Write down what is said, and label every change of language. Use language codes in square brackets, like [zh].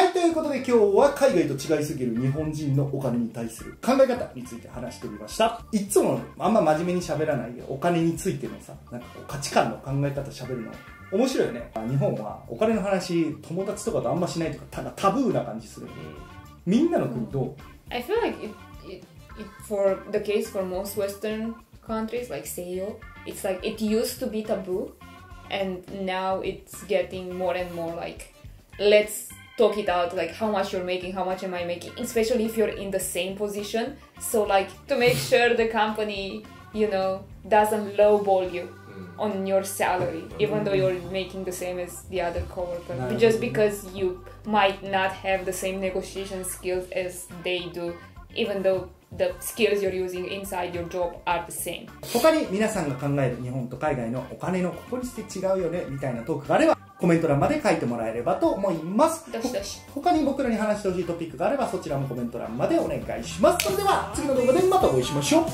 [ja] はい、ということで今日は海外と違いすぎる日本人のお金に対する考え方について話してみました。いつもあんま真面目に喋らないお金についてのさ、なんかこう価値観の考え方喋るの面白いよね。日本はお金の話友達とかとあんましないとかただタブーな感じするよね。みんなの国どう？ [en] I feel like it for the case for most Western countries like 西洋 it's like it used to be taboo and now it's getting more and more like let's talk it out like how much you're making, how much am I making, especially if you're in the same position. So like to make sure the company, you know, doesn't lowball youon your salary, even though you're making the same as the other coworker, just because you might not have the same negotiation skills as they do, even though the skills you're using inside your job are the same. [ja] 他に皆さんが考える日本と海外のお金のここにして違うよねみたいなトークがあればコメント欄まで書いてもらえればと思います。どしどし他に僕らに話してほしいトピックがあればそちらもコメント欄までお願いします。それでは次の動画でまたお会いしましょう。